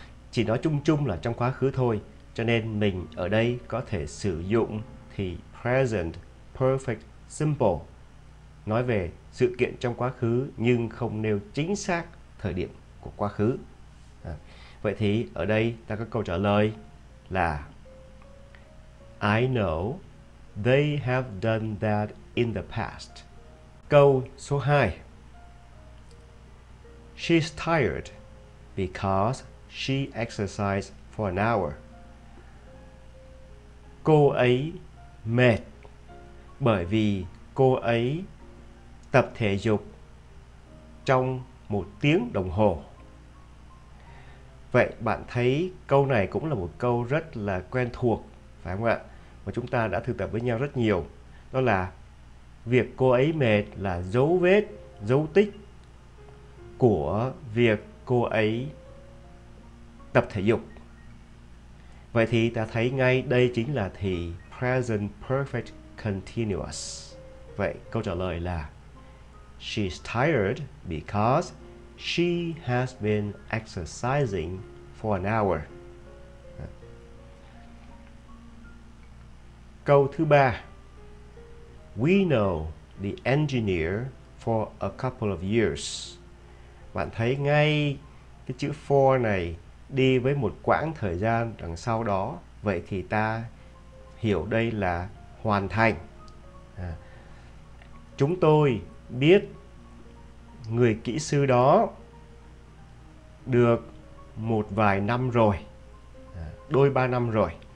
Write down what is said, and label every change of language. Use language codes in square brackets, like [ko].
[vi] Chỉ nói chung chung là trong quá khứ thôi. Cho nên mình ở đây có thể sử dụng thì present perfect simple, nói về sự kiện trong quá khứ nhưng không nêu chính xác thời điểm của quá khứ. Vậy thì ở đây ta có câu trả lời là [en] I know they have done that in the past. [vi] Câu số 2. [en] She's tired because she exercised for an hour. [vi] Cô ấy mệt bởi vì cô ấy tập thể dục trong một tiếng đồng hồ. Vậy bạn thấy câu này cũng là một câu rất là quen thuộc, phải không ạ? Mà chúng ta đã thực tập với nhau rất nhiều. Đó là việc cô ấy mệt là dấu vết, dấu tích của việc cô ấy tập thể dục. Vậy thì ta thấy ngay đây chính là thì present perfect continuous. Vậy câu trả lời là [en] She's tired because she has been exercising for an hour. [vi] Câu thứ ba. [en] We know the engineer for a couple of years. [vi] Bạn thấy ngay cái chữ for này đi với một quãng thời gian đằng sau đó. Vậy thì ta hiểu đây là hoàn thành. Chúng tôi biết người kỹ sư đó được một vài năm rồi, đôi ba năm rồi.